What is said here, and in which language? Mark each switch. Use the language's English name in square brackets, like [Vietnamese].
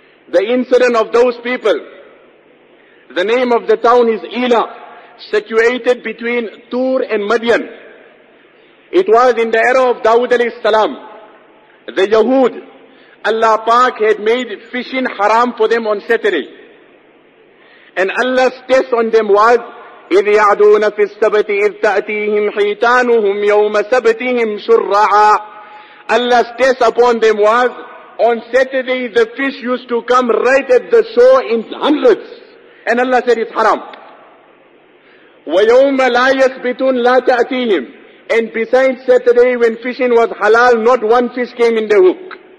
[English] The incident of those people. The name of the town is Ila. situated between Tur and Madian. It was in the era of Dawud alayhi salam. The Yahud, Allah Pak had made fishing haram for them on Saturday. And Allah's test on them was, [Arabic] إِذْ يَعْدُونَ فِي السَّبْتِ إِذْ تَأْتِيهِمْ حِيْتَانُهُمْ يَوْمَ سَبْتِهِمْ شُرَّعًا. [English] Allah's test upon them was, on Saturday the fish used to come right at the shore in hundreds. And Allah said it's haram. [Arabic] وَيَوْمَ لَا يَثْبِتُونَ لَا تَأْتِيهِمْ. [English] And besides Saturday when fishing was halal, not one fish came in the hook.